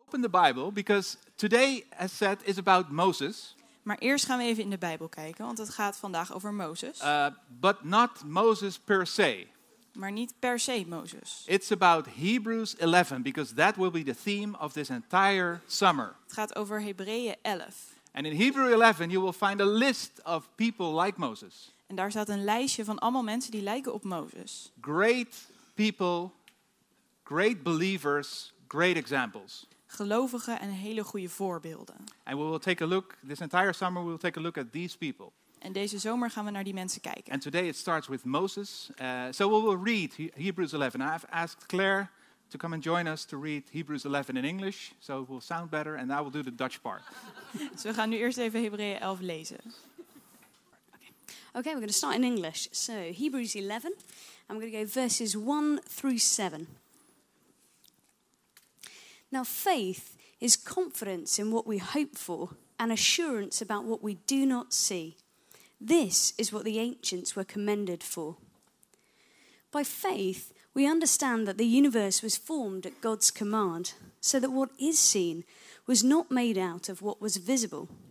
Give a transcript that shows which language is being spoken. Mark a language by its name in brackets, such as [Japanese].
[English] open the Bible because today, as said, is about Moses. [Dutch] Maar eerst gaan we even in de Bijbel kijken, want het gaat vandaag over Moses. [English] But not Moses per se. [Dutch] Maar niet per se Moses. [English] It's about Hebrews 11 because that will be the theme of this entire summer. [Dutch] Het gaat over Hebreeën 11. [English] And in Hebrews 11 you will find a list of people like Moses. [Dutch] En daar staat een lijstje van allemaal mensen die lijken op Moses. [English] Great people, great believers, great examples. [Dutch] Gelovige en hele goede voorbeelden. [English] And we will take a look this entire summer we will take a look at these people. [Dutch] En deze zomer gaan we naar die mensen kijken. [English] And today it starts with Moses. So we will read Hebrews 11. I've asked Claire to come and join us to read Hebrews 11 in English, so it will sound better, and I will do the Dutch part. [Dutch] Dus we gaan nu eerst even Hebreeën 11 lezen. [English] Okay, we're going to start in English. So, Hebrews 11, and we're going to go verses 1 through 7. Now, faith is confidence in what we hope for and assurance about what we do not see. This is what the ancients were commended for. By faith, we understand that the universe was formed at God's command, so that what is seen was not made out of what was visible.